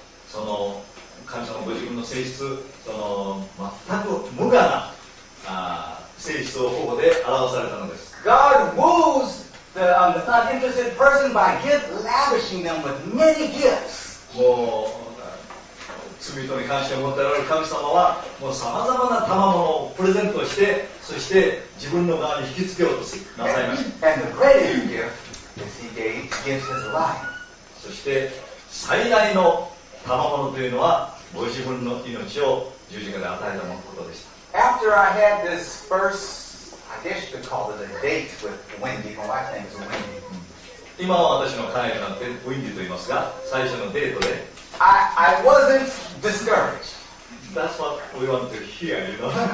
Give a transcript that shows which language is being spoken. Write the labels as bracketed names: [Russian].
[Japanese] その神様ご自分の性質その全く無我な性質をここで表されたのです。 [English] God woos the uninterested person by gift, lavishing them with many gifts. [Japanese] もう罪人に関心を持っておられる神様はもう様々な賜物をプレゼントしてそして自分の側に引きつけようとしなさいました。 [English] And the greatest gift is He gave His life. [Japanese] そして最大の賜物というのはご自分の命を十字架で与えたもことでした。 [English] After I had this first, I guess you could call it a date with Wendy, my wife's name is Wendy. [Japanese] 今は私の彼女なんて Wendy と言いますが、最初のデートで、 [English] I wasn't discouraged. That's what we want to hear, you know.